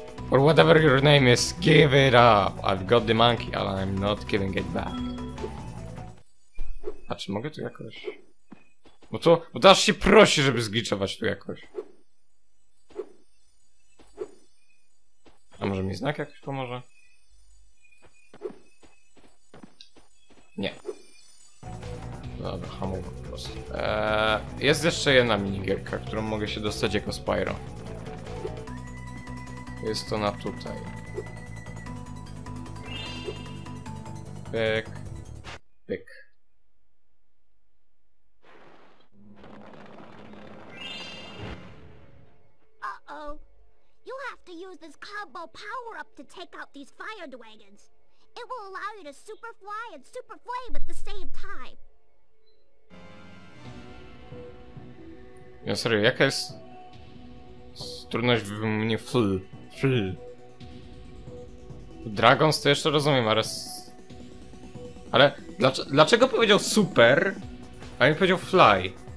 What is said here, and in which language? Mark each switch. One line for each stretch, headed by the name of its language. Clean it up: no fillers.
English: Or whatever your name is, give it up! I've got the monkey and I'm not giving it back.
Polish: A czy mogę tu jakoś? Bo to aż się prosi, żeby zgliczować tu jakoś. A może mi znak jakoś pomoże? Nie. Dobra, hamuł po prostu. Jest jeszcze jedna minigierka, którą mogę się dostać jako Spyro. Jest to na tutaj. Pyk. Pyk. Uh-oh.
English: You have to use this Cobble power-up to take out these fire dragons. It will allow you to super fly and super flame at the same time.
Polish: No serio, jaka jest trudność w mnie fl? Dragons to jeszcze rozumiem, ale... Ale dlaczego powiedział super, a nie powiedział fly?